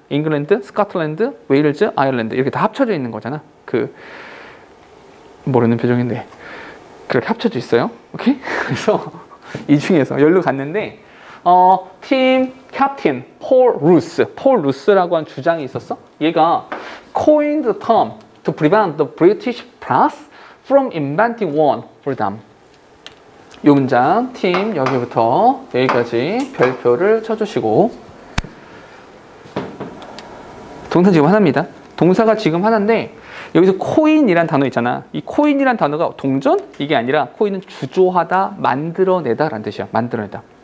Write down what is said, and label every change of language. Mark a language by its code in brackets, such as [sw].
[ko] 잉글랜드, 스코틀랜드, 웨일즈, 아일랜드 이렇게 다 합쳐져 있는 거잖아. 그 모르는 표정인데 그렇게 합쳐져 있어요. Okay? 그래서 이 중에서 열로 갔는데 팀 캡틴 폴 루스라고 한 주장이 있었어. 얘가 [en] coined the term to prevent the British press from inventing one for them. [ko] 이 문장 팀 여기부터 여기까지 별표를 쳐주시고 동사 지금 하나입니다. 동사가 지금 하나인데 여기서 코인이란 단어 있잖아. 이 코인이란 단어가 동전? 이게 아니라 코인은 주조하다, 만들어내다 라는 뜻이야. 만들어내다.